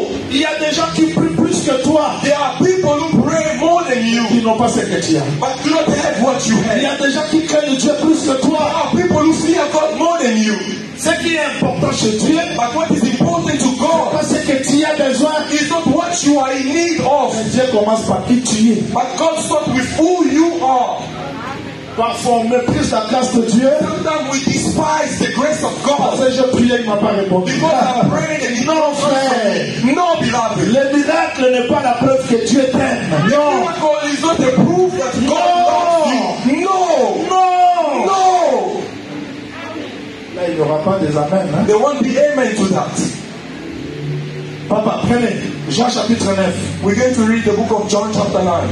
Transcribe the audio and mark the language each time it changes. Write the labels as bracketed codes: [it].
[fr] Il y a des gens qui prient plus que toi. [en] There are people who pray more than you. [fr] Ils n'ont pas ce que tu as. [en] But do not have what you have. [fr] Il y a des gens qui craignent Dieu plus que toi. [en] There are people who fear God more than you. [fr] Ce qui est important chez Dieu. [en] But what is important to God? [fr] C'est pas ce que tu as besoin. [en] It's not what you are in need of. [fr] Mais Dieu commence par qui tu es. [en] But God starts with who you are. [fr] Parfois on méprise la grâce de Dieu. [en] Sometimes we despise the grace of God. [fr] Parce que je priais, il m'a pas répondu. [en] Because I prayed and he did not answer. No, beloved. [fr] Le miracle n'est pas la preuve que Dieu t'aime. [en] No. Miracle is not the proof that God loves you. No. No. No. [fr] Là, il n'y aura pas des amens. Hein? [en] There won't be amen to that. [fr] Papa, prenez Jean chapitre 9. [en] We're going to read the book of John chapter 9,